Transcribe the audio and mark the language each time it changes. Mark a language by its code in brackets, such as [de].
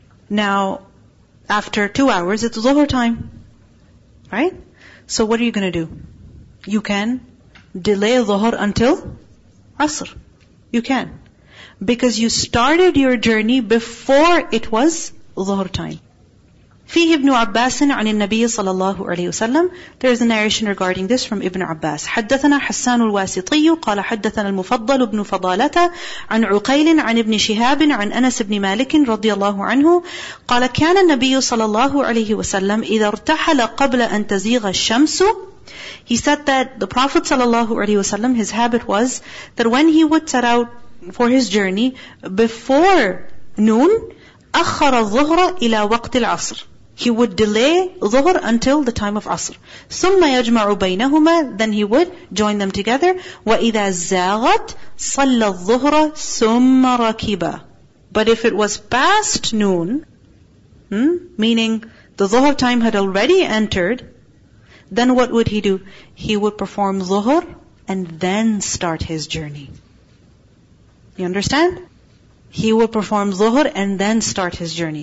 [en] Now, after 2 hours, it's ظهر time. Right? So what are you going to do? You can delay ظهر until عصر. You can. Because you started your journey before it was ظهر time. [ar] فيه ابن عباس عن النبي صلى الله عليه وسلم. [en] There is a narration regarding this from Ibn Abbas. [ar] حدثنا حسان الواسطي قال حدثنا المفضل بن فضالة عن عقيل عن ابن شهاب عن أنس بن مالك رضي الله عنه قال كان النبي صلى الله عليه وسلم إذا ارتحل قبل أن تزيغ الشمس. [en] He said that the Prophet صلى الله عليه وسلم, his habit was that when he would set out for his journey before noon, [ar] أخر الظهر إلى وقت العصر. [en] He would delay ظهر until the time of عصر. [ar] ثم يجمع بينهما. [en] Then he would join them together. [ar] وإذا زاغت صلى الظهر ثم ركبا. [en] But if it was past noon, meaning the ظهر time had already entered, then what would he do? He would perform ظهر and then start his journey. You understand? He will perform ظهر and then start his journey.